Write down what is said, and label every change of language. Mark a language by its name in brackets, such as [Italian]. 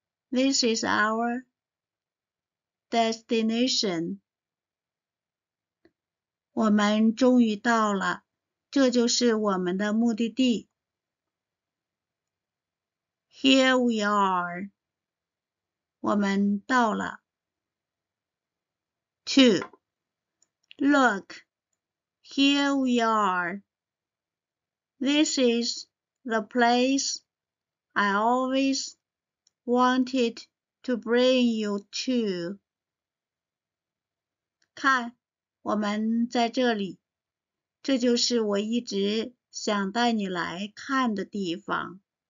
[English] This is our destination. [Chinese] 我们终于到了，这就是我们的目的地。 [English] Here we are. [Chinese] 我们到了。 [English] Two. Look. Here we are. This is the place I always wanted to bring you to. [Chinese] 看，我们在这里，这就是我一直想带你来看的地方。